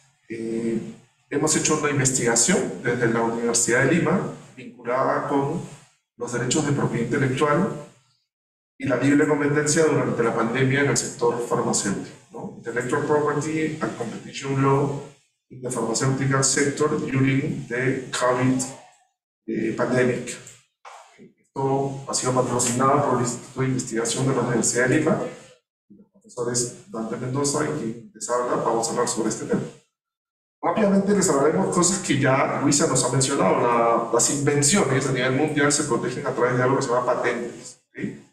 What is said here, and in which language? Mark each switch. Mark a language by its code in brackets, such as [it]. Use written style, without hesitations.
[es] Hemos hecho una investigación desde la Universidad de Lima vinculada con los derechos de propiedad intelectual y la libre competencia durante la pandemia en el sector farmacéutico, ¿no? [en] Intellectual Property and Competition Law in the Pharmaceutical Sector during the COVID pandemic. [es] Esto ha sido patrocinado por el Instituto de Investigación de la Universidad de Lima. Los profesores Dante Mendoza y quien les habla, vamos a hablar sobre este tema. Rápidamente les hablaremos cosas que ya Luisa nos ha mencionado. Las invenciones a nivel mundial se protegen a través de algo que se llama patentes. ¿Sí?